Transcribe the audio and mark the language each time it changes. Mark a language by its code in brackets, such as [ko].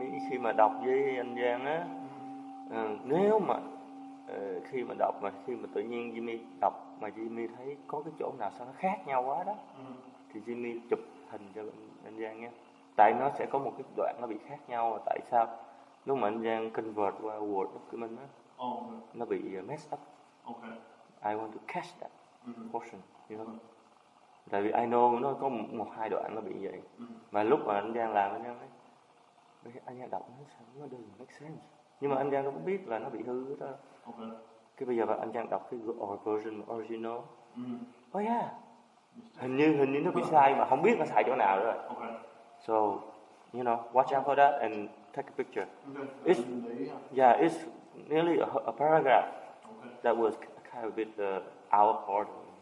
[vi] À, khi mà đọc với anh Giang á, nếu mà khi mà đọc mà khi mà tự nhiên Jimmy đọc mà Jimmy thấy có cái chỗ nào sao nó khác nhau quá đó, thì Jimmy chụp hình cho anh Giang nghe. Tại nó sẽ có một cái đoạn nó bị khác nhau. Tại sao lúc mà anh Giang convert qua Word document á, nó bị [en] messed up. Okay. I want to catch that portion, you know. [vi] Tại vì [en] I know [vi] nó có một hai đoạn nó bị vậy. Mà lúc mà anh Giang làm, anh Giang đọc nó sao nó đừng [en] make sense. [vi] Nhưng mà anh Giang cũng biết là nó bị hư đó. Cái bây giờ là anh Giang đọc cái version original. Oh yeah, hình như nó bị sai mà không biết nó sai chỗ nào rồi. [en] So you know, watch out for that and take a picture. It's nearly a paragraph. That was kind of a bit out of order.